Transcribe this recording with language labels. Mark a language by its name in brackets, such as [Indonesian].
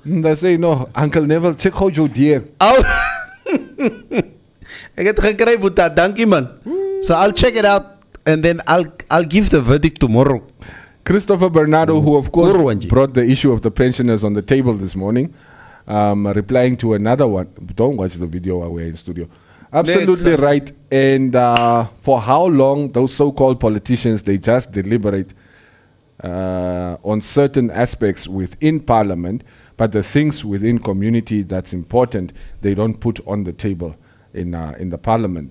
[English] They say no, Uncle Neville, check out your dear. Oh. [Afrikaans] Ek het gekry buta, dankie man. [English] So I'll check it out and then I'll give the verdict tomorrow. Christopher Bernardo, who of course brought the issue of the pensioners on the table this morning, replying to another one. Don't watch the video while we're in studio. Absolutely right. And for how long those so-called politicians, they just deliberate on certain aspects within parliament, but the things within community that's important, they don't put on the table in the parliament.